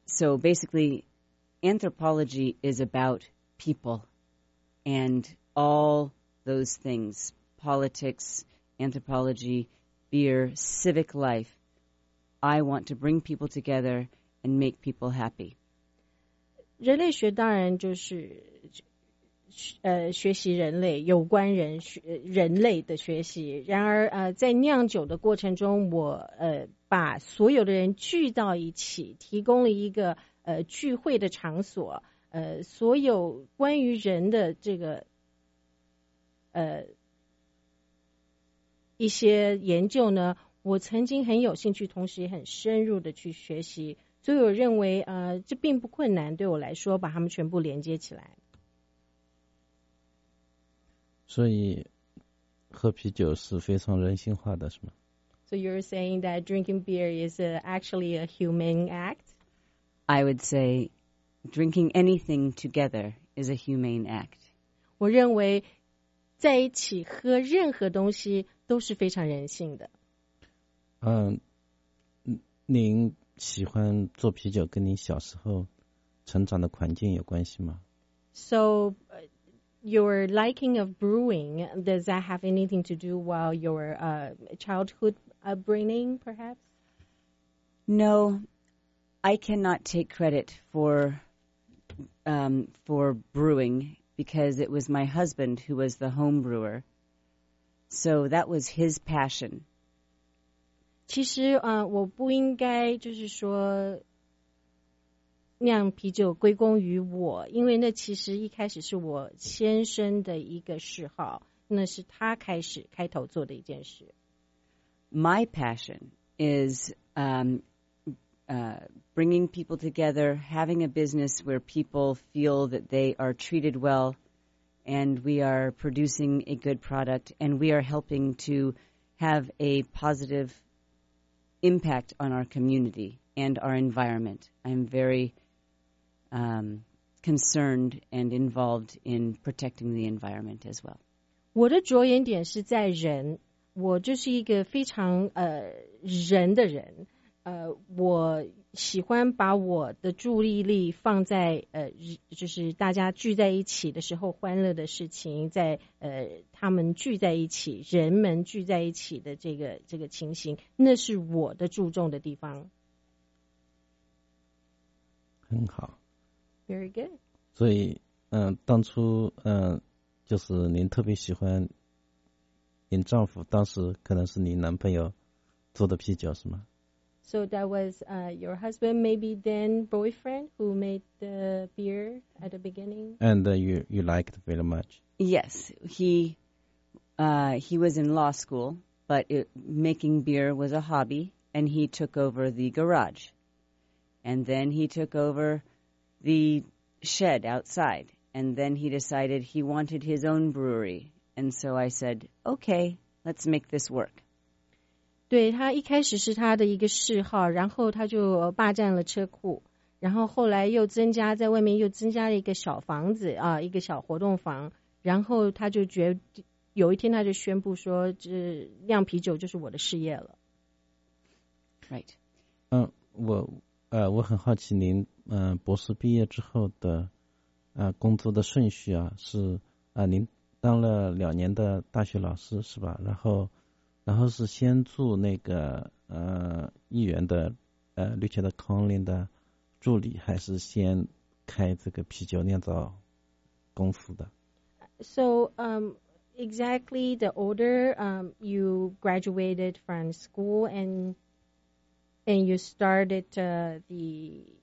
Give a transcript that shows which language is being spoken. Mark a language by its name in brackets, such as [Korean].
[English] So basically, anthropology is about people and all those things, politics, anthropology, beer, civic life. I want to bring people together and make people happy. [Chinese] 人类学当然就是学习人类，有关人类的学习。然而在酿酒的过程中，我把所有的人聚到一起，提供了一个聚会的场所，所有关于人的这个一些研究呢，我曾经很有兴趣，同时也很深入的去学习，所以我认为这并不困难，对我来说把它们全部连接起来。所以喝啤酒是非常人性化的，是吗？ [English] So you're saying that drinking beer is actually a human act? I would say drinking anything together is a humane act. [Chinese] 我认为在一起喝任何东西都是非常人性的。您喜欢做啤酒跟您小时候成长的环境有关系吗？ [English] So, your liking of brewing, does that have anything to do with your childhood upbringing, perhaps? No, I cannot take credit for brewing because it was my husband who was the home brewer. So that was his passion. [Chinese] 其实我不应该就是说酿啤酒归功于我，因为那其实一开始是我先生的一个嗜好，那是他开始开头做的一件事。 [English] My passion is bringing people together, having a business where people feel that they are treated well, and we are producing a good product, and we are helping to have a positive impact on our community and our environment. I'm very concerned and involved in protecting the environment as well. [Chinese] 我的着眼点是在人，我就是一个非常人的人，我喜欢把我的注意力放在就是大家聚在一起的时候欢乐的事情，在他们聚在一起，人们聚在一起的这个情形，那是我的注重的地方。很好。 [English] Very good. [Chinese] 所以当初就是您特别喜欢您丈夫，当时可能是您男朋友做的啤酒是吗？ [English] So that was your husband, maybe then boyfriend, who made the beer at the beginning. And you liked it very much. Yes, he was in law school, but making beer was a hobby, and he took over the garage. And then he took over the shed outside, and then he decided he wanted his own brewery. And so I said, okay, let's make this work. [Chinese] 对，他一开始是他的一个嗜好，然后他就霸占了车库，然后后来又增加在外面又增加了一个小房子啊，一个小活动房，然后他就觉得有一天他就宣布说这酿啤酒就是我的事业了。 [English] Right. [Chinese] 我很好奇您博士毕业之后的工作的顺序啊，是您当了两年的大学老师是吧，然后是先做那个议员的Richard Conlin的助理，还是先开这个啤酒酿造公司的？ [English] So exactly the order, you graduated from school and you started the